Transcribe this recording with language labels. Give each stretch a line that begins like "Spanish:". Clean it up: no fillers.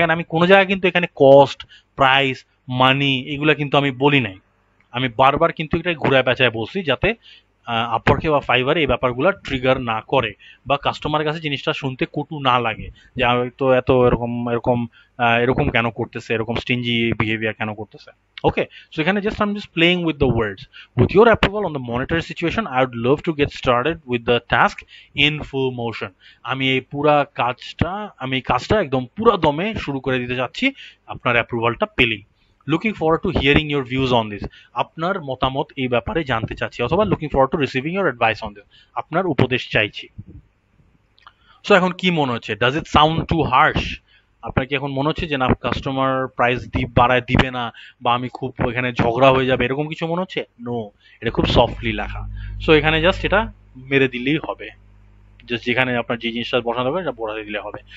Bangla: দেখেন আমি কোনো জায়গায় কিন্তু এখানে কস্ট, প্রাইস, মানি এগুলো কিন্তু আমি বলি নাই, আমি বারবার কিন্তু এটাই ঘুরে পেঁচায় বলছি যাতে আপরকে বা ফাইবারে এই ব্যাপারগুলো ট্রিগার না করে, বা কাস্টমার কাছে জিনিসটা শুনতে কটু না লাগে যে আমি তো এত এরকম এরকম এরকম কেন করতেছে, এরকম স্টিঞ্জি বিহেভিয়ার কেন করতেছে।
English: Okay, so এখানে just I am just playing with the words, with your approval on the monetary situation I would love to get started with the task in full motion.
Bangla: আমি এই পুরো কাজটা, আমি এই কাজটা একদম পুরো দমে শুরু করে দিতে চাচ্ছি আপনার অ্যাপ্রুভালটা পেলেই।
English: Looking forward to hearing your views on this.
Bangla: আপনার মতামত এই ব্যাপারে জানতে চাচ্ছি,
English: অথবা looking forward to receiving your advice on this.
Bangla: আপনার উপদেশ চাইছি। সো এখন কি মনে হচ্ছে,
English: Does it sound too harsh?
Bangla: আপনার কি এখন মনে হচ্ছে যে না, কাস্টমার প্রাইস বাড়ায় দিবে না, বা আমি খুব এখানে ঝগড়া হয়ে যাবে, এরকম কিছু মনে হচ্ছে? নো, এটা খুব সফটলি লেখা। সো এখানে জাস্ট এটা মেরে দিলেই হবে, জাস্ট যেখানে আপনার যে জিনিসটা বসানো হবে সেটা বসাতে দিলে হবে।